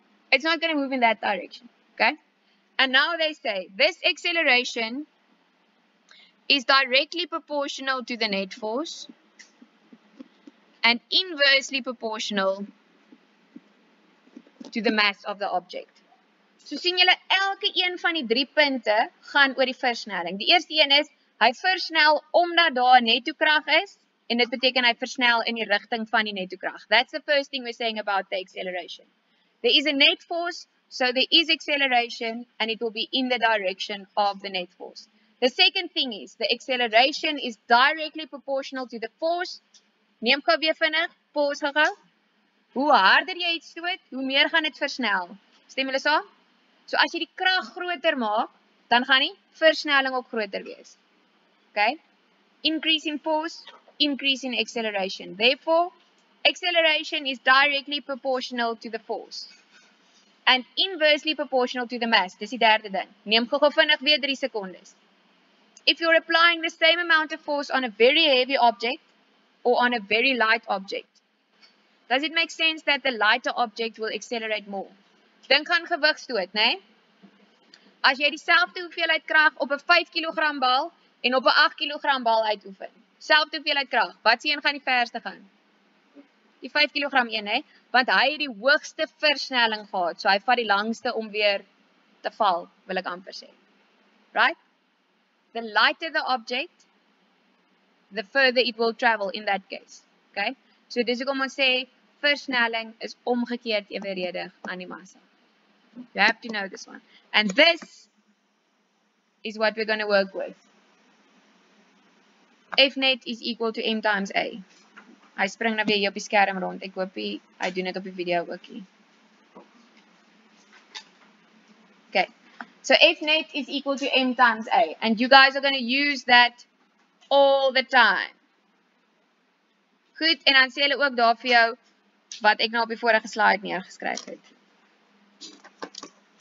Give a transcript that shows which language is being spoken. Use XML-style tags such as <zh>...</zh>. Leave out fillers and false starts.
<en>It's not going to move in that direction, okay? And now they say this acceleration is directly proportional to the net force and inversely proportional to the mass of the object.</en> <af>So sien julle elke een van die 3 punte gaan oor die versnelling. Die eerste een is hy versnel omdat daar 'n netto krag is en dit beteken hy versnel in die rigting van die netto krag.</af> <en>That's the first thing we're saying about the acceleration. There is a net force, so there is acceleration and it will be in the direction of the net force. The second thing is the acceleration is directly proportional to the force.</en> <af>Neem gou weer vinnig, pause gou-gou. Hoe harder jy iets stoot, hoe meer gaan dit versnel. Stem julle saam? So as jy die krag groter maak, dan gaan die versnelling ook groter wees.</af> <en>okay? Increasing force, increasing acceleration. Therefore, acceleration is directly proportional to the force. And inversely proportional to the mass.</en> <af>Dis die derde ding. Neem gou-gou vinnig weer 3 sekondes.</af> <en>If you're applying the same amount of force on a very heavy object or on a very light object, does it make sense that the lighter object will accelerate more?</en> <af>Dink aan gewigstoot, né? As jy dieselfde hoeveelheid krag op 'n 5 kg bal en op 'n 8 kg bal uitoefen, selfde hoeveelheid krag, wat se een gaan die verste gaan? Die 5 kg een, né? Want hy het die hoogste versnelling gehad, so hy vat die langste om weer te val, wil ek amper sê.</af> <en>Right? The lighter the object, the further it will travel in that case. Okay?</en> <af>So dis hoekom ons sê versnelling is omgekeerd eweredig aan die massa.</af> <en>You have to know this one. And this is what we're going to work with. F net is equal to M times A.</en> <af>Hy spring nou weer hier op die skerm rond. Ek hoop hy doen dit op die video ookie.</af> <en>Okay. So F net is equal to M times A. And you guys are going to use that all the time.</en> <af>Goed, en dan sê hulle ook daar vir jou wat ek nou op die vorige slide neergeskryf het.</af>